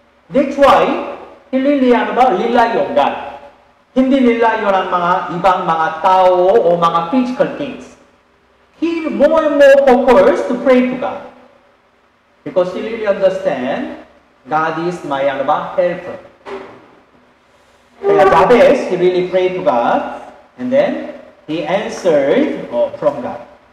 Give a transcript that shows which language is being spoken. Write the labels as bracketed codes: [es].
[en] That's why, he really, [tl] ano ba, [en] rely on God. [tl] Hindi [en] rely on [tl] ang mga ibang mga tao o mga [en] physical things. He more and more focused to pray to God. Because he really understand God is my helper. [tl] Kaya [en] Jabez, he really prayed to God and then he answered from God.